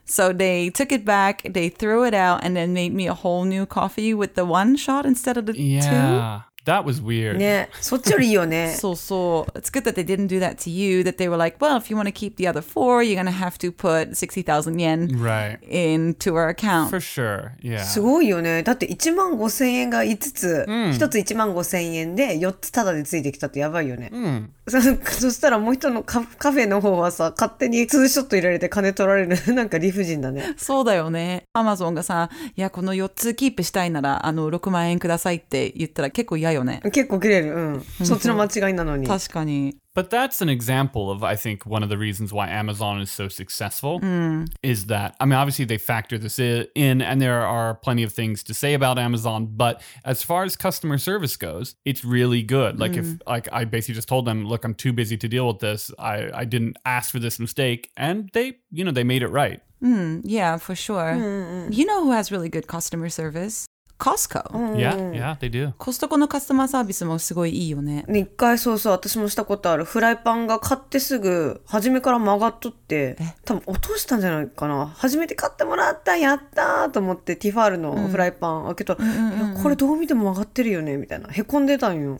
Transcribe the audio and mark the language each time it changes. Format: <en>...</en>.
<en>So they took it back, they threw it out, and then made me a whole new coffee with the one shot instead of the two. That was weird. It's good that they didn't do that to you, that they were like, well, if you want to keep the other four, you're going to have to put 60,000 yen right into our account. For sure, yeah.</en> <ja>すごいよね。だって1万5000円が5つ、1つ1万5000円で4つタダでついてきたってやばいよね。そしたらもう一人のカフェの方はさ、勝手にツーショット入られて金取られる。なんか理不尽だね。そうだよね。アマゾンがさ、いや、この4つキープしたいなら、あの、6万円くださいって言ったら結構嫌よね。結構切れる。そっちの間違いなのに。確かに。</ja> <en>But that's an example of, I think, one of the reasons why Amazon is so successful, is that, I mean, obviously they factor this in and there are plenty of things to say about Amazon, but as far as customer service goes, it's really good. Like if I basically just told them, look, I'm too busy to deal with this. I didn't ask for this mistake, and they, you know, they made it right. Yeah, for sure. You know who has really good customer service? Costco. Yeah, they do.</en> <ja>Costco のカスタマーサービスもすごいいいよね。一回そうそう、私もしたことある。フライパンが買ってすぐ、初めから曲がっとって、多分落としたんじゃないかな。初めて買ってもらった、やったーと思って、ティファールのフライパン開けたら、これどう見ても曲がってるよね、みたいな。へこんでたんよ。</ja>